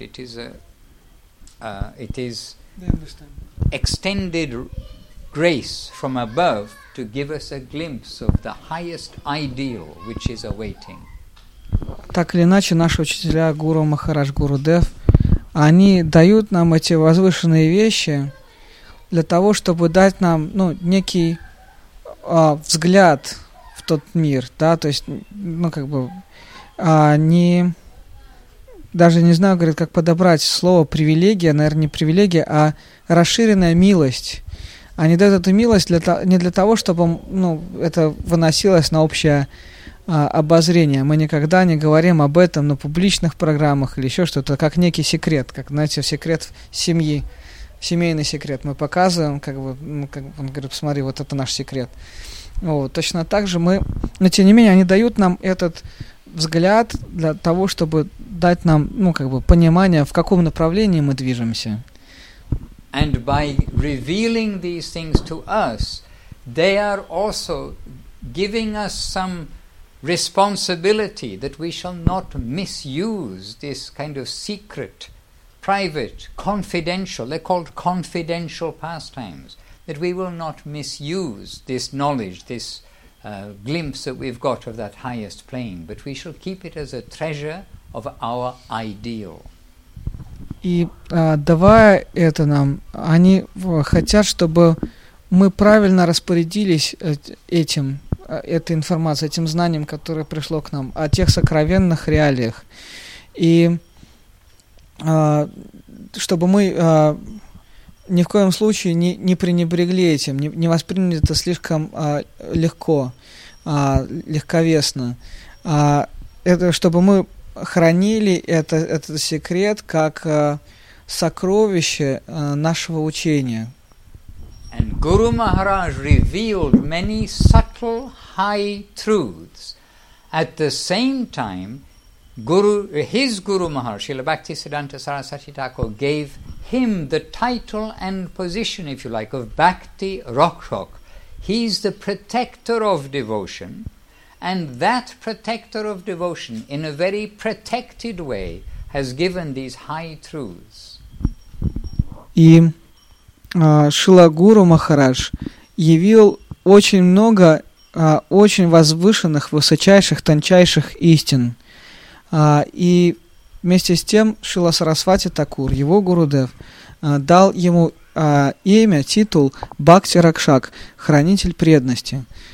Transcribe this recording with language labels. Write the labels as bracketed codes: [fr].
[en] It is extended grace from above to give us a glimpse of the highest ideal which is awaiting. [ru] Так или иначе, наши учителя Гуру Махарадж, Гуру Дев, они дают нам эти возвышенные вещи для того, чтобы дать нам некий взгляд в тот мир, да, то есть, не даже не знаю, говорит, как подобрать слово «привилегия», наверное, не «привилегия», а «расширенная милость». Они дают эту милость не для того, чтобы это выносилось на общее обозрение. Мы никогда не говорим об этом на публичных программах или еще что-то, как некий секрет, как, знаете, секрет семьи, семейный секрет. Мы показываем, он говорит, посмотри, вот это наш секрет. Вот, точно так же мы... Но, тем не менее, они дают нам этот взгляд для того, чтобы дать нам, понимание, в каком направлении мы движемся. [en] And by revealing these things to us, they are also giving us some responsibility that we shall not misuse this kind of secret, private, confidential, they're called confidential pastimes, that we will not misuse this knowledge, this glimpse that we've got of that highest plane, but we shall keep it as a treasure of our ideal. [ru] И давая это нам, они хотят, чтобы мы правильно распорядились этим, этой информацией, этим знанием, которое пришло к нам, о тех сокровенных реалиях. И чтобы мы ни в коем случае не пренебрегли этим, не восприняли это слишком легко, легковесно. Это чтобы мы хранили этот секрет как сокровище нашего учения. [en] And Guru Maharaj revealed many subtle high truths. At the same time, Guru Maharaj, Srila Bhaktisiddhanta Sarasvati Thakur, gave him the title and position, if you like, of Bhakti Rakshak. He's the protector of devotion. And that protector of devotion, in a very protected way, has given these high truths. [ru] И Шрила Гуру Махарадж явил очень много очень возвышенных, высочайших, тончайших истин. И вместе с тем Шрила Сарасвати Такур, его Гурудев, дал ему имя, титул Бхакти Ракшак, хранитель преданности.